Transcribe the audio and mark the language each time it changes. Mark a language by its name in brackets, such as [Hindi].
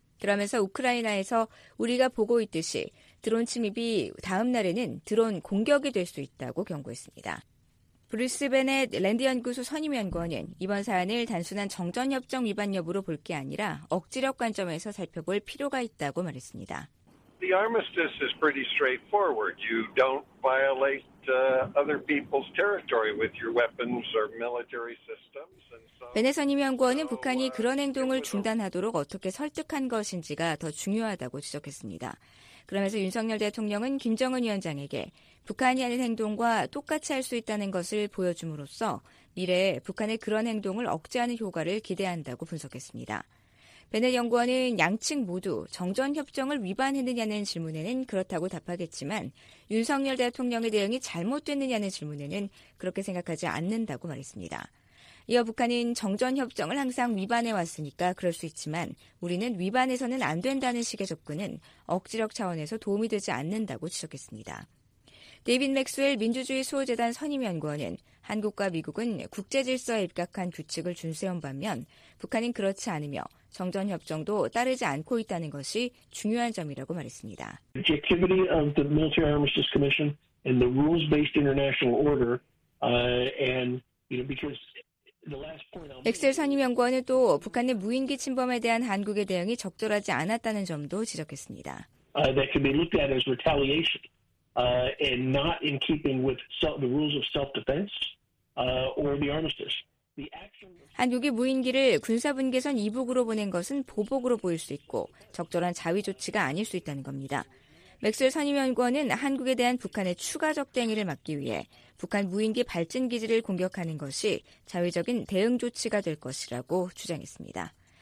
[Korean] 그러면서 우크라이나에서 우리가 보고 있듯이 드론 침입이 다음 날에는 드론 공격이 될 수 있다고 경고했습니다. 브루스 베넷 랜드연구소 선임연구원은 이번 사안을 단순한 정전협정 위반 여부로 볼 게 아니라 억지력 관점에서 살펴볼 필요가 있다고 말했습니다. [English] The armistice is pretty straightforward. You don't violate other people's territory with your weapons or military systems. [Korean] 베넷 선임연구원은 북한이 그런 행동을 중단하도록 어떻게 설득한 것인지가 더 중요하다고 지적했습니다. 그러면서 윤석열 대통령은 김정은 위원장에게 북한이 하는 행동과 똑같이 할 수 있다는 것을 보여줌으로써 미래에 북한의 그런 행동을 억제하는 효과를 기대한다고 분석했습니다. 베넷 연구원은 양측 모두 정전협정을 위반했느냐는 질문에는 그렇다고 답하겠지만 윤석열 대통령의 대응이 잘못됐느냐는 질문에는 그렇게 생각하지 않는다고 말했습니다. 이어 북한은 정전협정을 항상 위반해왔으니까 그럴 수 있지만 우리는 위반해서는 안 된다는 식의 접근은 억지력 차원에서 도움이 되지 않는다고 지적했습니다. 데이빗 맥스웰 민주주의 수호재단 선임연구원은 한국과 미국은 국제질서에 입각한 규칙을 준수한 반면 북한은 그렇지 않으며 정전협정도 따르지 않고 있다는 것이 중요한 점이라고 말했습니다. [English] The activity of the Military Armistice Commission and the rules-based international order and you know because [Korean] 엑셀 선임연구원은 또 북한의 무인기 침범에 대한 한국의 대응이 적절하지 않았다는 점도 지적했습니다. [English] That can be looked at as retaliation and not in keeping with the rules of self-defense or the armistice. [Korean] 한국이 무인기를 군사분계선 이북으로 보낸 것은 보복으로 보일 수 있고 적절한 자위 조치가 아닐 수 있다는 겁니다. 맥스웰 선임연구원은 한국에 대한 북한의 추가 적대행위를 막기 위해 북한 무인기 발진기지를 공격하는 것이 자위적인 대응 조치가 될 것이라고 주장했습니다.